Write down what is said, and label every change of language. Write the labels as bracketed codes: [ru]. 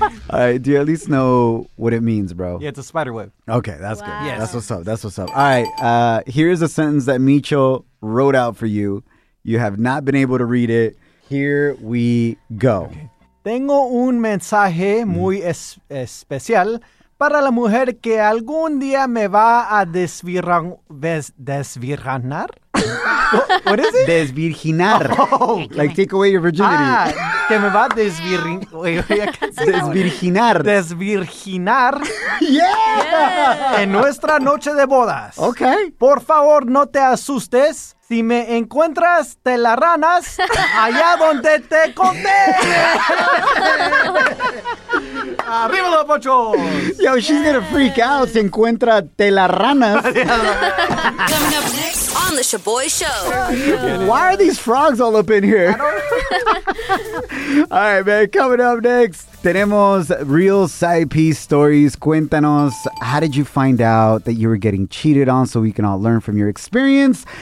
[en] All right, do you at least know what it means, bro? Yeah, it's a spider web. Okay, that's good. Yes. That's what's up. All right, here's a sentence that Micho wrote out for you. You have not been able to read it. Here we go. Okay. [es] Tengo un mensaje muy especial para la mujer que algún día me va a desvirginar. [en] What is it? [es] Desvirginar. [en] Oh, take away your virginity. [es] Ah, que me va a desvirginar. Desvirginar. [en] Yeah. [es] En nuestra noche de bodas. [en] Okay. [es] Por favor, no te asustes. Si me encuentras telaranas, allá donde te conté. ¡Arriba los pochos! [en] Yo, she's gonna freak out [es] si encuentra telaranas. [en] Coming up next on the Shaboy Show. Why are these frogs all up in here? All right, man. Coming up next, [es] tenemos [en] real side piece stories. [es] Cuéntanos, [en] how did you find out that you were getting cheated on so we can all learn from your experience?